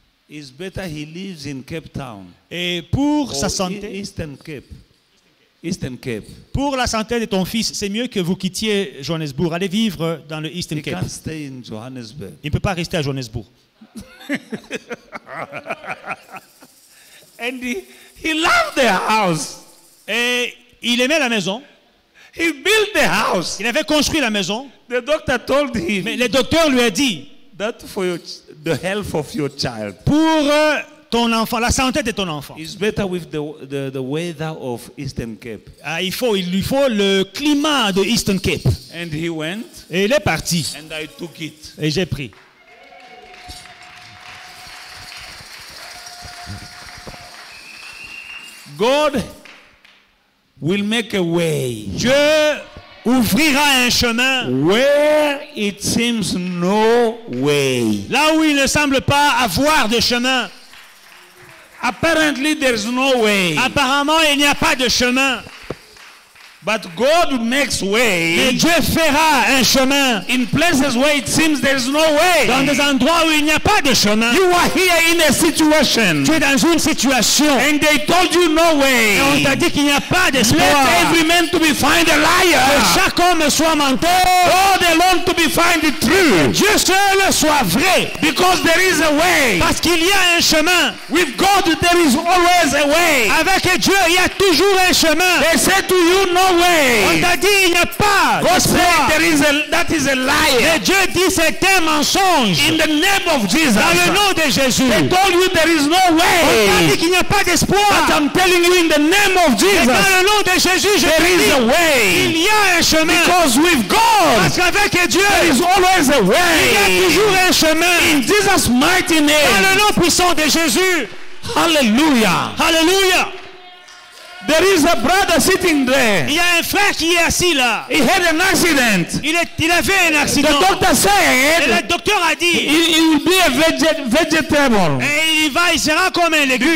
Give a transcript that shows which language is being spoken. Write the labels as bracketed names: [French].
[English] It's better he lives in Cape Town. [French] Et pour sa santé. [English] Eastern Cape. Eastern Cape. [French] Pour la santé de ton fils, c'est mieux que vous quittiez Johannesburg. Allez vivre dans le Eastern Cape. [English] He can't stay in Johannesburg. [French] Il ne peut pas rester à Johannesburg. [English] And he loved the house. [French] Et il aimait la maison. [English] He built the house. [French] Il avait construit la maison. [English] The doctor told him. [French] Mais le docteur lui a dit. [English] That for your, the health of your child. [French] Pour ton enfant, la santé de ton enfant. [English] It's better with the weather of Eastern Cape. [French] Ah, il lui faut le climat de Eastern Cape. [English] And he went. [French] Et il est parti. [English] And I took it. [French] Et j'ai pris. [English] God will make a way. [French] Dieu ouvrira un chemin. [English] Where it seems no way. [French] Là où il ne semble pas avoir de chemin. [English] Apparently there's no way. [French] Apparemment il n'y a pas de chemin. [English] But God makes way. [French] Mais Dieu fera un chemin. [English] In places where it seems there's no way. [French] Dans des endroits où il n'y a pas de chemin. [English] You are here in a situation. [French] Tu es dans une situation. [English] And they told you no way. [French] Et on t'a dit qu'il n'y a pas d'espoir. [English] Let every man to be find a liar. [French] Que chaque homme soit menteur. [English] God alone to be find it true. [French] Que Dieu seul soit vrai. [English] Because there is a way. [French] Parce qu'il y a un chemin. [English] With God there is always a way. [French] Avec Dieu il y a toujours un chemin. [English] They said to you no. [French] On t'a dit il n'y a pas. [English] God said there is a, that is a liar. [French] Mais Dieu dit c'est un mensonge. [English] In the name of Jesus. [French] Dans le nom de Jésus. [English] They told you there is no way. [French] On t'a dit qu'il n'y a pas d'espoir. [English] But I'm telling you in the name of Jesus. [French] Mais dans le nom de Jésus, je [English] there [French] te [English] is [French] dis, [English] a way. [French] Il y a un chemin. [English] Because with God. [French] Parce qu'avec Dieu, [English] there is always a way. [French] Il y a toujours un chemin. [English] In Jesus' mighty name. [French] Dans le nom puissant de Jésus. [English] Hallelujah. Hallelujah. There is a brother sitting there. [French] Il y a un frère qui est assis là. [English] He had an accident. [French] Il avait un accident. [English] The doctor said. [French] Et le docteur a dit. [English] He will be a vegetable. [French] Et il sera comme un légume.